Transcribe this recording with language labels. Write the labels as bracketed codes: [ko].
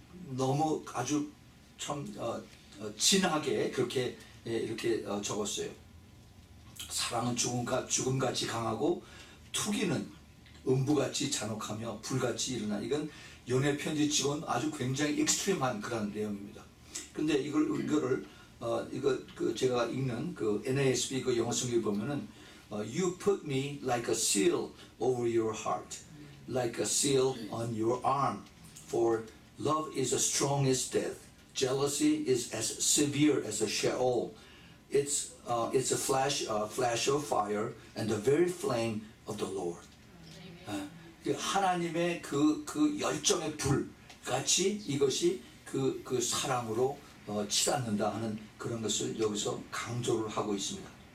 [ko] 너무 아주 참 진하게 그렇게 예, 이렇게 적었어요. 사랑은 죽음같이 강하고 투기는 음부같이 잔혹하며 불같이 일어나. 이건 연애 편지 직원 아주 굉장히 익스트림한 그런 내용입니다. 근데 이거를 제가 읽는 그 NASB 그 영어성경 보면은 [en] you put me like a seal over your heart, like a seal on your arm, for love is as strong as death. Jealousy is as severe as a Sheol. It's a flash of fire and the very flame of the Lord. [ko] 하나님의 그 열정의 불 같이 이것이 그 사랑으로 치닫는다 하는 그런 것을 여기서 강조를 하고 있습니다.